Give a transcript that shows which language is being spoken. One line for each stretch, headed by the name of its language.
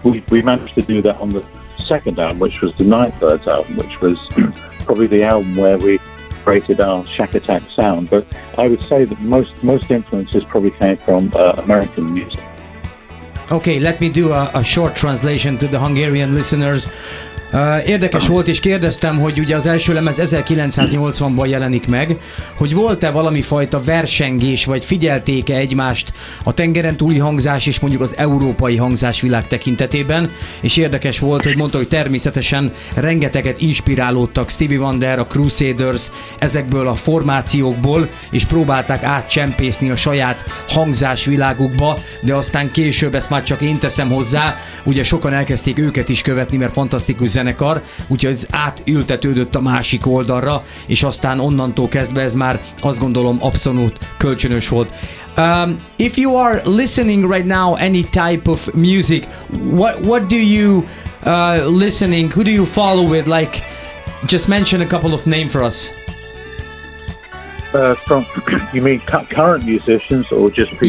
English: We managed to do that on the second album, which was the Nightbirds album, which was probably the album where we created our Shack Attack sound. But I would say that most influences probably came from American music. Okay, let me do a short translation to the Hungarian listeners.
Hungarian: Érdekes volt, és kérdeztem, hogy ugye az első lemez 1980-ban jelenik meg, hogy volt-e valami fajta versengés, vagy figyelték-e egymást a tengeren túli hangzás és mondjuk az európai hangzásvilág tekintetében, és érdekes volt, hogy mondta, hogy természetesen rengeteget inspirálódtak Stevie Wonder, a Crusaders, ezekből a formációkból, és próbálták átcsempészni a saját hangzásvilágukba, de aztán később, ezt már csak én teszem hozzá, ugye sokan elkezdték őket is követni, mert fantasztikus zenekar, úgyhogy ez átültetődött a másik oldalra, és aztán onnantól kezdve ez már, azt gondolom, abszolút kölcsönös volt.
English: If you are listening right now any type of music, what do you listening, who do you follow with, like, just mention a couple of names for us. From, you mean current musicians or just people